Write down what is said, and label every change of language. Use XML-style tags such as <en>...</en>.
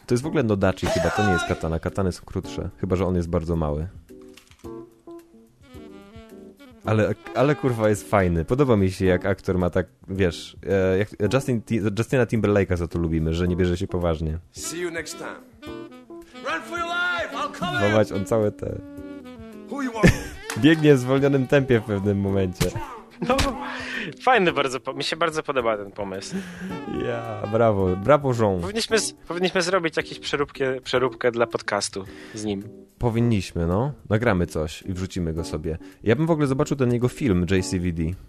<pl>To jest w ogóle nodachi chyba, to nie jest katana. Katany są krótsze, chyba że on jest bardzo mały. Ale kurwa jest fajny. Podoba mi się, jak aktor ma tak, wiesz, jak Justina Timberlake'a za to lubimy, że nie bierze się poważnie.</pl> <en>See you next time. Run for your life, I'll come in. Wołać on całe te... Who you are?</en> <pl>Biegnie w zwolnionym tempie w pewnym momencie. No, fajny bardzo, mi się bardzo podoba ten pomysł. Ja, brawo, brawo Jean. Powinniśmy zrobić jakąś przeróbkę dla podcastu z nim. Powinniśmy, no. Nagramy coś i wrzucimy go sobie. Ja bym w ogóle zobaczył ten jego film, JCVD.</pl>